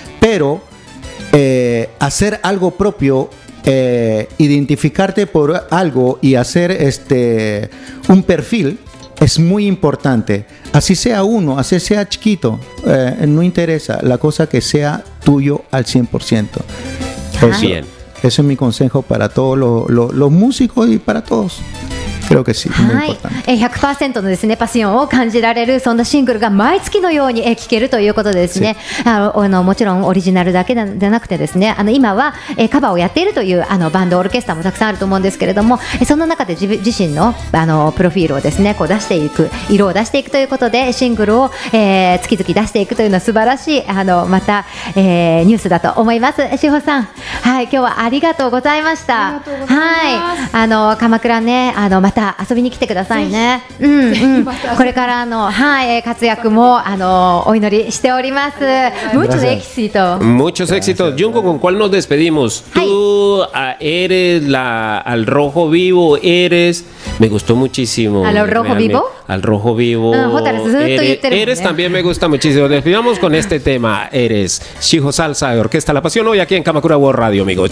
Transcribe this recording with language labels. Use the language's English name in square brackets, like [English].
[Spanish] Pero hacer algo propio, identificarte por algo y hacer un perfil es muy importante. Así sea uno, así sea chiquito, no interesa. La cosa que sea tuyo al 100%. Eso, bien. Ese es mi consejo para todos los músicos y para todos. Creo que sí, はい、muy importante. [Japanese] 100% のですね、パシオンを感じられるそんなシングルが毎月のように聴けるということでですね、sí. もちろんオリジナルだけでなくてですね、今はカバーをやっているというバンドオーケストラもたくさんあると思うんですけれども、その中で自身 の, プロフィールをですね、こう出していく、色を出していくということでシングルを、月々出していくというのは素晴らしいまた、ニュースだと思います。志保さん、はい、今日はありがとうございました。ありがとうございます、はい、鎌倉ね、また遊びに来てくださいね。これからの、はい、活躍もお祈りしております。 [Spanish] Muchos éxitos. Muchos éxitos. Junko, ¿con cuál nos despedimos? Tú eres al rojo vivo, eres. Me gustó muchísimo. ¿Al rojo vivo? Al rojo vivo. Eres también me gusta muchísimo. Despedimos con este tema. Eres Shijo Salsa de Orquesta La Pasión hoy aquí en Kamakura World Radio, amigos.